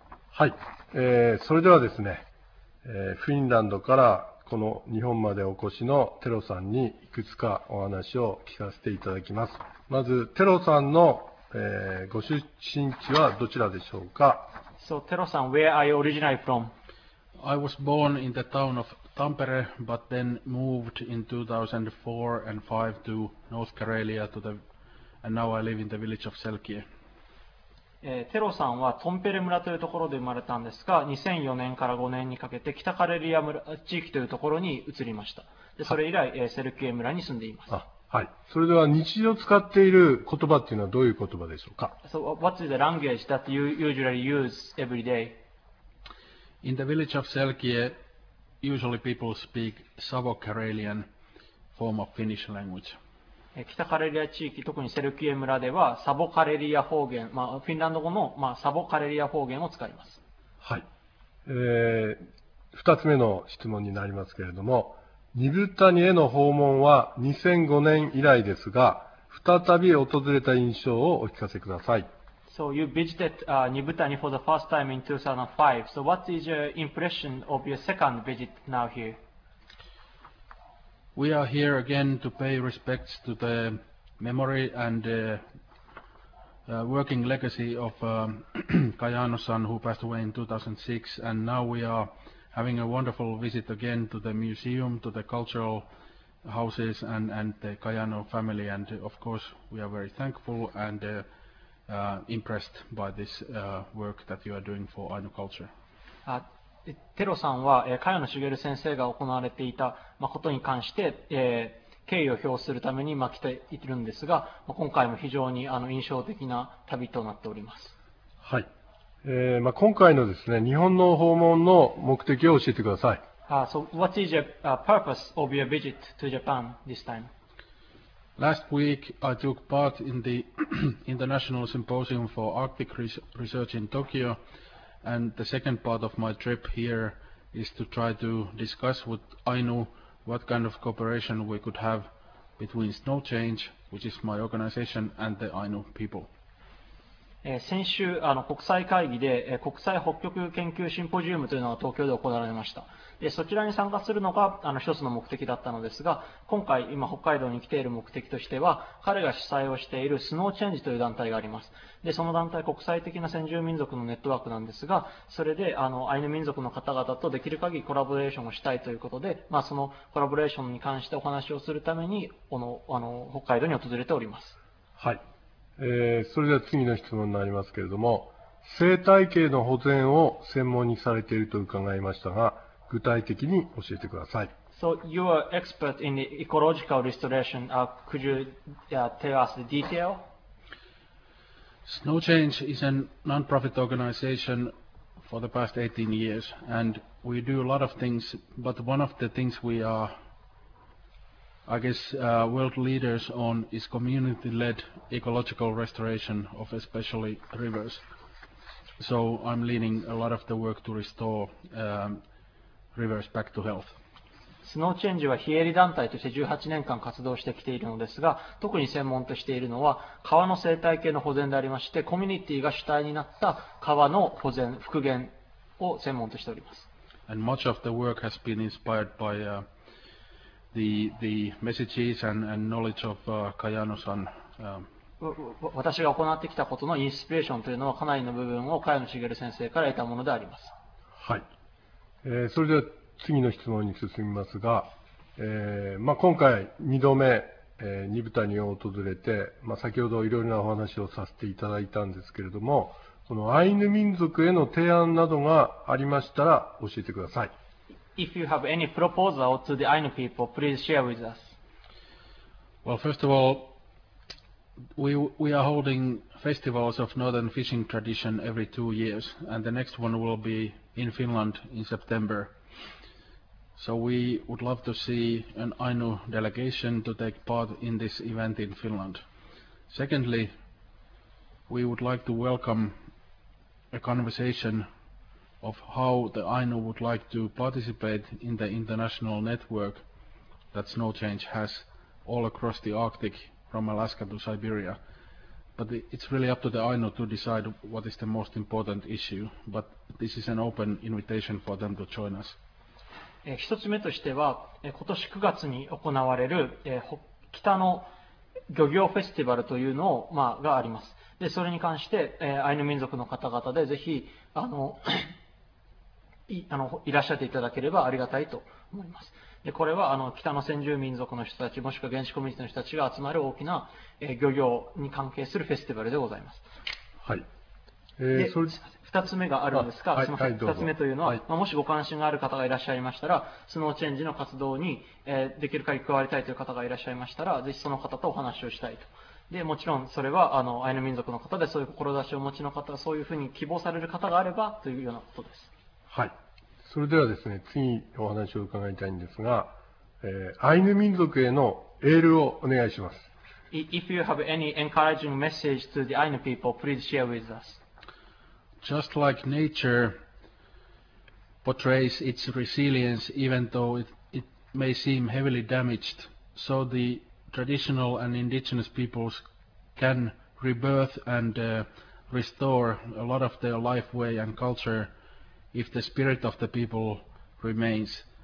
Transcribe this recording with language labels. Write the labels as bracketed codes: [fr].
[ja] はい、それではですね、フィンランドからこの日本までお越しのテロさんにいくつかお話を聞かせていただきます。まずテロさんのご出身地はどちらでしょうか。 [en] So, Tero-san, where are you originally from? I was born in the town of Tampere, but then moved in 2004 and 5 to North Karelia, and now I live in the village of Selkie. [ja] Tero-san はトンペレ村というところで生まれたんですが、2004年から5年にかけて北カレリア村地域というところに移りました。でそれ以来、セルキエ村に住んでいます。はい、それでは日常使っている言葉というのはどういう言葉でしょうか。 [en] So what is the language that you usually use every day? In the village of Selkie, usually people speak Savo-Karelian form of Finnish language. [ja] 北カレリア地域、特にセルキエ村ではサボカレリア方言、まあ、フィンランド語の、まあ、サボカレリア方言を使います。はい、2つ目の質問になりますけれども、ニブタニへの訪問は2005年以来ですが、再び訪れた印象をお聞かせください。 [en] So you visited Nibutani for the first time in 2005. So what is your impression of your second visit now here? We are here again to pay respects to the memory and working legacy of Kayano-san who passed away in 2006. And now we are having a wonderful visit again to the museum, to the cultural houses and the Kayano family, and of course we are very thankful and impressed by this work that you are doing for Ainu culture. [ja] テロさんは、Kayano Shigeru 先生が行われていた、ま、ことに関して、敬意を表するために、ま、来ているんですが、ま、今回も非常に印象的な旅となっております。はい、ま、今回のですね、日本の訪問の目的を教えてください。 [en] So what is the purpose of your visit to Japan this time? Last week, I took part in the International Symposium for Arctic Research in Tokyo, and the second part of my trip here is to try to discuss with Ainu what kind of cooperation we could have between Snow Change, which is my organization, and the Ainu people. [ja] 先週、国際会議で、国際北極研究シンポジウムというのが東京で行われました。でそちらに参加するのが一つの目的だったのですが、今回今北海道に来ている目的としては、彼が主催をしているスノーチェンジという団体があります。でその団体、国際的な先住民族のネットワークなんですが、それでアイヌ民族の方々とできる限りコラボレーションをしたいということで、まあ、そのコラボレーションに関してお話をするためにこの北海道に訪れております。はい、それでは次の質問になりますけれども、生態系の保全を専門にされていると伺いましたが、具体的に教えてください。 [en] So you are expert in the ecological restoration. Could you tell us the detail? Snow Change is a non-profit organization for the past 18 years, and we do a lot of things. But one of the things we are, I guess, world leaders on is community-led ecological restoration of especially rivers. So I'm leading a lot of the work to restore. Reverse back to health. [ja] スノーチェンジは非営利団体として18年間活動してきているのですが、特に専門としているのは川の生態系の保全でありまして、コミュニティが主体になった川の保全復元を専門としております。 [en] And much of the work has been inspired by the messages and knowledge of Kayano-san. [ja] 私が行ってきたことのインスピレーションというのはかなりの部分を Kayano Shigeru 先生から得たものであります。はい、それでは次の質問に進みますが、まあ、今回2度目、ニブタニを訪れて、まあ、先ほどいろいろなお話をさせていただいたんですけれども、そのアイヌ民族への提案などがありましたら教えてください。 [en] If you have any proposal to the Ainu people, please share with us. Well, first of all, we are holding festivals of northern fishing tradition every 2 years, and the next one will beIn Finland in September. So we would love to see an Ainu delegation to take part in this event in Finland. Secondly, we would like to welcome a conversation of how the Ainu would like to participate in the international network that Snow Change has all across the Arctic from Alaska to Siberia. But it's really up to the Ainu to decide what is the most important issue. ButThis is an open invitation for them to join us. [ja] 一つ目としては、今年9月に行われる、北の漁業フェスティバルというのを、まあ、があります。で、それに関して、アイヌ民族の方々でぜひいらっしゃっていただければありがたいと思います。で、これは北の先住民族の人たち、もしくは原始コミュニティの人たちが集まる大きな、漁業に関係するフェスティバルでございます。はい。 2つ目があるんですか。すみません、はい、 2つ目というのは、はい、もしご関心がある方がいらっしゃいましたら、スノーチェンジの活動に、できる限り加わりたいという方がいらっしゃいましたら、ぜひその方とお話をしたいと。でもちろんそれはアイヌ民族の方で、そういう志をお持ちの方、そういうふうに希望される方があればというようなことです。はい、それではですね、次お話を伺いたいんですが、アイヌ民族へのエールをお願いします。 [en] If you have any encouraging message to the Ainu people, please share with us. Just like nature portrays its resilience even though it may seem heavily damaged, so the traditional and indigenous peoples can rebirth and restore a lot of their life way and culture if the spirit of the people remains.